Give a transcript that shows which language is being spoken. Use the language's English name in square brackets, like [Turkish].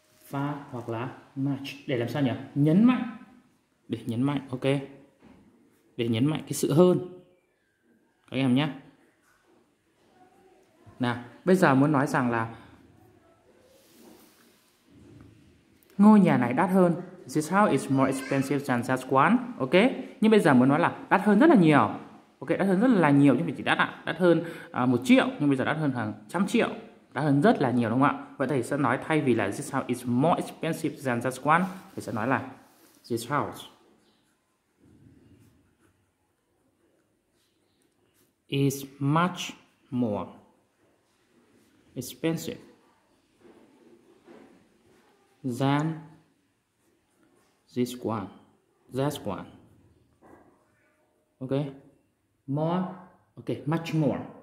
[Vietnamese] Far hoặc là much. Để làm sao nhỉ? Nhấn mạnh. Để nhấn mạnh, ok. Để nhấn mạnh cái sự hơn. Các em nhé. Nào, bây giờ muốn nói rằng là ngôi nhà này đắt hơn. [English] This house is more expensive than that one. Ok. [Vietnamese] Nhưng bây giờ muốn nói là đắt hơn rất là nhiều. Ok, đắt hơn rất là nhiều, nhưng mà chỉ đắt ạ. Đắt hơn 1 triệu, nhưng bây giờ đắt hơn hàng trăm triệu. Đắt hơn rất là nhiều, đúng không ạ? Vậy thầy sẽ nói thay vì là [English] this house is more expensive than that one, [Vietnamese] thầy sẽ nói là [English] this house is much more expensive than this one. That one. Ok. More. Ok. Much more.